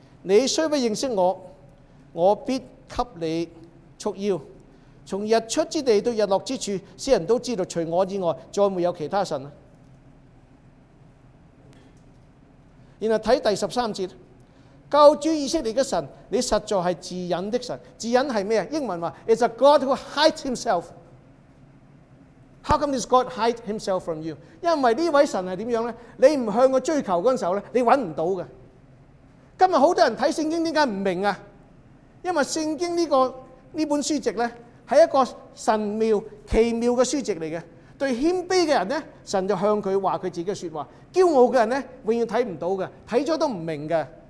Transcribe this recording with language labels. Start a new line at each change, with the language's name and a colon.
Chinese: 你雖不認識我，我必給你束腰，從日出之地到日落之處，世人都知道除我以外再沒有其他神。然后看第13节，救主以色列的神，你实在是自隐的神。自隐是什么？英文说
English: It's a God who hides himself. How come this God hide himself from you?
Chinese: 因为这位神是怎样呢？你不向他追求的时候，你找不到的。今天很多人看圣经为什么不明白？因为圣经这本书籍呢，是一个神妙奇妙的书籍来的。对谦卑的人呢，神就向他说他自己的说话。骄傲的人呢，永远看不到的，看了都不明白的。